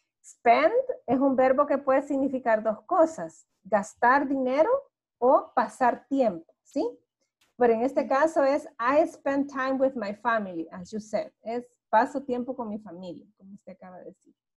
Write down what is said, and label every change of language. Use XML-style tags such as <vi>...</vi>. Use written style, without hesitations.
<es>Spend es un verbo que puede significar dos cosas. Gastar dinero o pasar tiempo, ¿sí? Pero en este caso es</es> <en>I spend time with my family, as you said.</en> <es>Es paso tiempo con mi familia, como usted acaba de decir.</es>